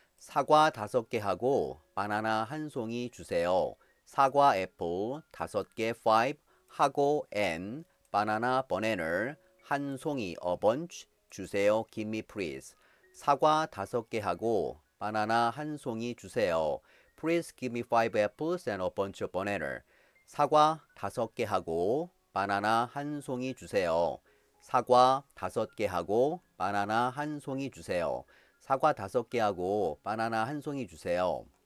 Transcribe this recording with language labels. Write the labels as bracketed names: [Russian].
[Korean] 사과 5개 하고 바나나 한 송이 주세요. 사과 애플 5개 5 하고 and 바나나 버네나 한 송이 [English] a bunch [Korean] 주세요. [English] Give me please. [Korean] 사과 5개 하고 바나나 한 송이 주세요. [English] Please give me 5 apples and a bunch of bananas. [Korean] 사과 5개 하고 바나나 한 송이 주세요. 사과 5개 하고 바나나 한 송이 주세요. 사과 5개 하고 바나나 한 송이 주세요.